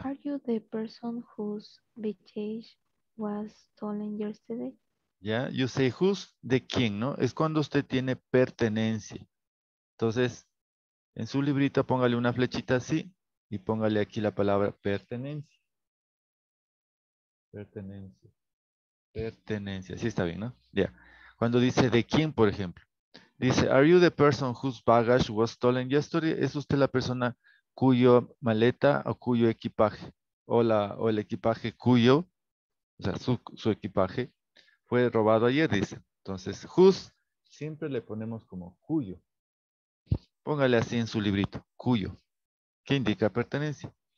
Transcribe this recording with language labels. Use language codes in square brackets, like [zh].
[en] Are you the person whose baggage was stolen yesterday? Yeah, you say who's [es] de quién, ¿no? Es cuando usted tiene pertenencia. Entonces, en su librito póngale una flechita así y póngale aquí la palabra pertenencia. Pertenencia. Pertenencia. Sí está bien, ¿no? Ya. Yeah. Cuando dice de quién, por ejemplo. [en] Dice, "Are you the person whose baggage was stolen yesterday?" [es] ¿Es usted la persona cuyo maleta o cuyo equipaje, o el equipaje cuyo, o sea, su equipaje, fue robado ayer, dice. Entonces, whose, siempre le ponemos como cuyo. Póngale así en su librito, cuyo, que indica pertenencia.